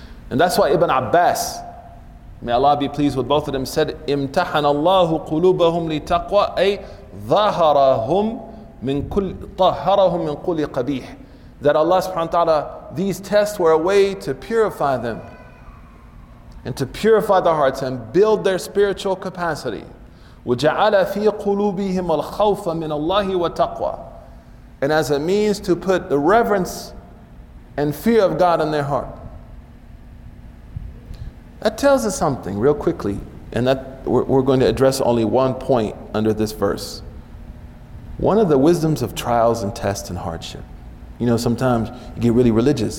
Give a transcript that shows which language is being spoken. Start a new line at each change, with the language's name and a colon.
English: And that's why Ibn Abbas, may Allah be pleased with both of them, said,
Arabic: امتحن الله قلوبهم لتقوى أي ظهرهم من كل طهرهم من كل قبيح.
English: That Allah subhanahu wa ta'ala, these tests were a way to purify them and to purify their hearts and build their spiritual capacity.
Arabic: وجعل في قلوبهم الخوف من الله وتقوى.
English: And as a means to put the reverence and fear of God in their heart. That tells us something real quickly, and that we're going to address only one point under this verse. One of the wisdoms of trials and tests and hardship. You know, sometimes you get really religious.